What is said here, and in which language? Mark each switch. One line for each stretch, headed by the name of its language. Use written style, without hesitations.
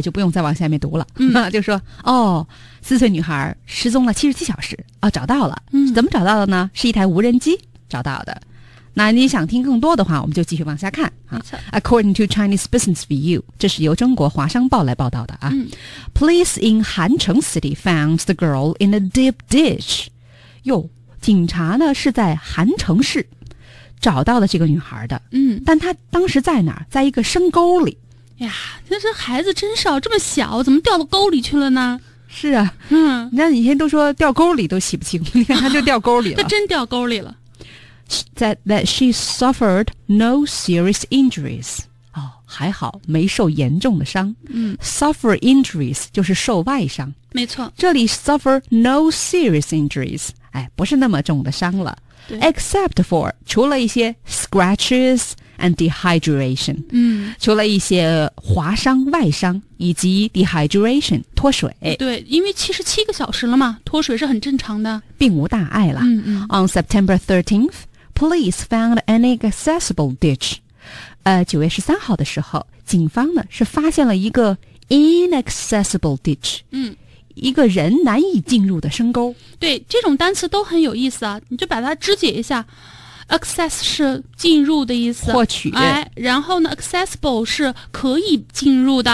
Chinese: 就不用再往下面读了。就说，哦，四岁女孩失踪了77小时，哦，找到了。怎么找到的呢？是一台无人机找到的。那你想听更多的话，我们就继续往下看。
English: According to Chinese Business View,
Chinese: 这是由中国华商报来报道的啊。
English: Police in Hancheng City found the girl in a deep ditch.
Chinese: 哟，警察呢是在韩城市找到的这个女孩的。但她当时在哪儿？在一个深沟里。哎呀，那这孩子真少，这么小怎么掉到沟里去了呢？是啊，你看以前都说掉沟里都洗不清，你看她就掉沟里了。她真掉沟里了。
English: That she suffered no serious injuries.
Chinese: 哦，还好没受严重的伤。 Suffer injuries 就是受外伤。没错，这里
English: suffer no serious injuries，
Chinese: 哎，不是那么重的伤了。对，
English: except for
Chinese: 除了一些
English: scratches and dehydration，
Chinese: 除了一些划伤、外伤以及 dehydration 脱水。对，因为77个小时了嘛，脱水是很正常的，并无大碍了。
English: On September 13th, police found an inaccessible ditch.
Chinese: 9月13号的时候，警方呢是发现了一个 inaccessible ditch。一个人难以进入的深沟。对，这种单词都很有意思啊，你就把它肢解一下。 access 是进入的意思，获取，哎，然后呢 accessible 是可以进入的，